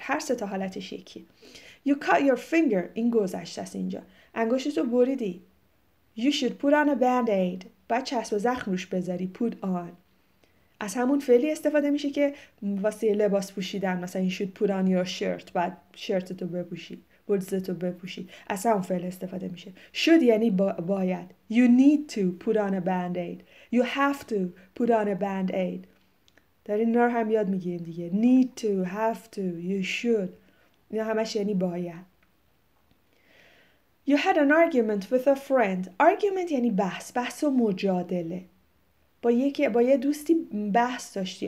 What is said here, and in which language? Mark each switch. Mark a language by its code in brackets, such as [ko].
[fa] هر سه تا حالتش یکی. [en] You cut your finger. [fa] این گذشته است اینجا. انگشتتو بریدی. [en] You should put on a band-aid. [fa] باید چسب و زخم روش بذاری. [en] Put on. [fa] از همون فعلی استفاده میشه که واسه لباس پوشیدن. مثلا [en] you should put on your shirt. [fa] باید شرطتو بپوشی. بلوزتو بپوشی. از همون فعل استفاده میشه. Should یعنی باید. [en] You need to put on a band-aid. You have to put on a band-aid. [fa] در این نار هم یاد میگیم دیگه. [en] Need to, have to, you should. [fa] این همش یعنی باید. [en] You had an argument with a friend. Argument [fa] یعنی بحث. بحث و مجادله. با یکی با یه دوستی بحث داشتی.